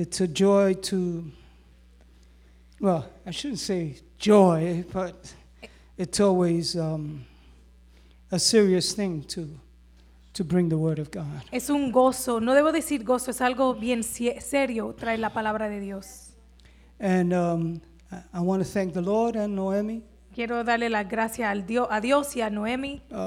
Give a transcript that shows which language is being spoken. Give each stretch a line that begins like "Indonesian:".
English: It's a joy to, well, I shouldn't say joy, but it's always a serious thing to bring the word of God.
Spanish: Es un gozo. No debo decir gozo, es algo bien serio traer la palabra de Dios.
English: And I want to thank the Lord and Noemi.
Spanish: Quiero darle las gracias a Dios y a Noemi